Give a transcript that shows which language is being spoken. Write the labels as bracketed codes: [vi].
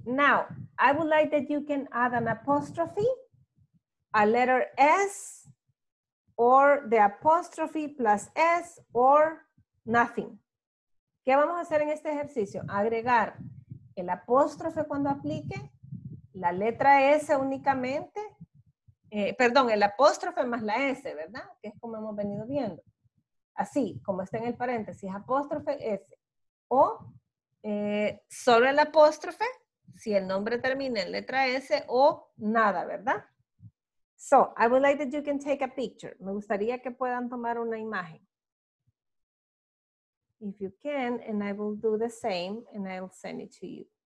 [en] Now, I would like that you can add an apostrophe, a letter S, or the apostrophe plus S, or nothing. [es] ¿Qué vamos a hacer en este ejercicio? Agregar el apóstrofe cuando aplique, la letra S únicamente, perdón, el apóstrofe más la S, ¿verdad? Que es como hemos venido viendo. Así, como está en el paréntesis, apóstrofe S. O solo el apóstrofe, si el nombre termina en letra S, o nada, ¿verdad? [en] So, I would like that you can take a picture. [es] Me gustaría que puedan tomar una imagen. [en] If you can, and I will do the same, and I will send it to you.